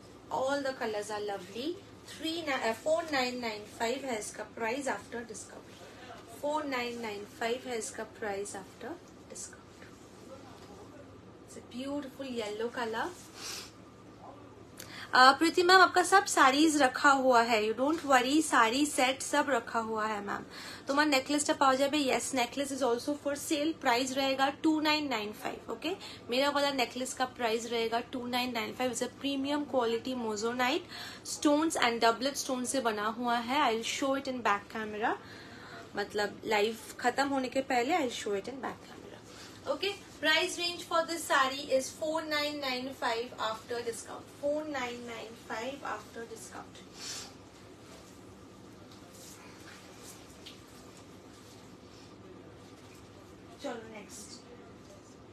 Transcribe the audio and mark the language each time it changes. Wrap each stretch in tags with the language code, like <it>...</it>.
<en>All the colors are lovely. 4995 has ka price after discount. 4995 has ka price after discount. It's a beautiful yellow color.</en> <hi>Preeti ma'am, आपका सब साड़ीज रखा हुआ है,</hi> <en>you don't worry,</en> <hi>sari set सब रखा हुआ है मैम. तो मैं नेकलेस टा पाओ जाए,</hi> <en>Yes necklace is also for sale.</en> <hi>Price रहेगा 2995. ओके, मेरा वाला नेकलेस का प्राइस रहेगा 2995.</hi> <en>is a premium quality moissanite stones and doublet stone</en> <hi>से बना हुआ है.</hi> <en>I will show it in back camera,</en> <hi>मतलब लाइव खत्म होने के पहले I will show it in back camera.</hi> <en>Okay, price range for this saree is 4995 after discount. 4995 after discount.</en> <hi>Chalo next.</hi>